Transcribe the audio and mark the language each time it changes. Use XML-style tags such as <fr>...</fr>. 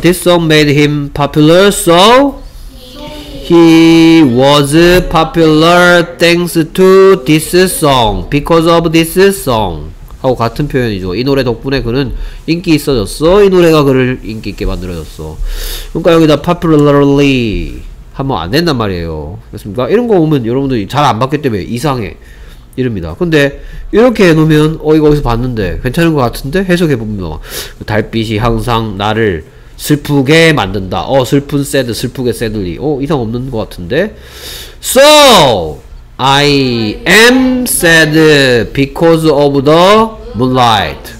<en>This song made him popular, so he was popular thanks to this song. Because of this song.</en> <ko>하고 같은 표현이죠. 이 노래 덕분에 그는 인기 있어졌어. 이 노래가 그를 인기 있게 만들어졌어. 그러니까 여기다 popularly 하면 안 된단 말이에요. 됐습니까? 이런 거 보면 여러분들이 잘 안 봤기 때문에 이상해 이릅니다. 근데 이렇게 해놓으면 이거 어디서 봤는데 괜찮은 것 같은데 해석해보면 달빛이 항상 나를 슬프게 만든다. 슬픈 sad, 슬프게 sadly. 이상 없는 것 같은데.</ko> <en>So I am sad because of the moonlight.</en>